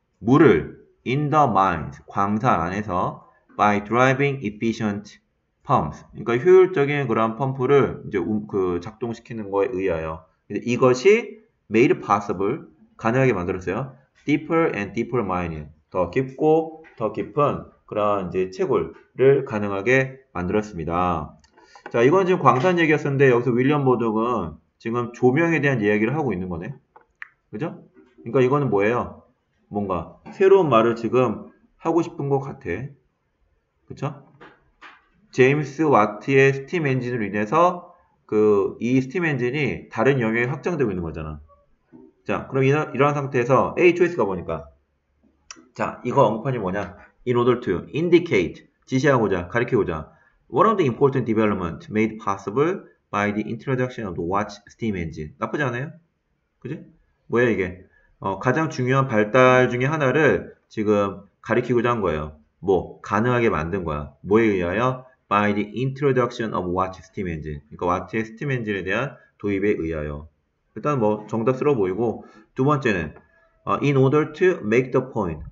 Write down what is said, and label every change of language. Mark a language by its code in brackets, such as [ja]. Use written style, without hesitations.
[ko] 물을 [en] in the mines, [ko] 광산 안에서 [en] by driving efficient pumps. [ko] 그러니까 효율적인 그런 펌프를 이제 작동시키는 거에 의하여. 이것이 [en] made possible, [ko] 가능하게 만들었어요. [en] deeper and deeper mining. [ko] 더 깊고 더 깊은 그런 이제 채굴을 가능하게 만들었습니다. 자, 이건 지금 광산 얘기였었는데, 여기서 윌리엄 버독은 지금 조명에 대한 이야기를 하고 있는 거네. 그죠? 그러니까 이거는 뭐예요? 뭔가 새로운 말을 지금 하고 싶은 것 같아. 그쵸? 제임스 와트의 스팀 엔진으로 인해서 이 스팀 엔진이 다른 영역에 확장되고 있는 거잖아. 자, 그럼 이런 상태에서 A 초이스가 보니까. 자, 이거 언급한 게 뭐냐? [en] In order to indicate, [ko] 지시하고자, 가리키고자. [en] One of the important development made possible by the introduction of the Watch steam engine. [ko] 나쁘지 않아요? 그지? 뭐야, 이게? 가장 중요한 발달 중에 하나를 지금 가리키고자 한 거예요. 뭐, 가능하게 만든 거야. 뭐에 의하여? [en] By the introduction of Watch steam engine. [ko] 그러니까 Watch의 steam engine에 대한 도입에 의하여. 일단 뭐, 정답스러워 보이고, 두 번째는, [en] in order to make the point.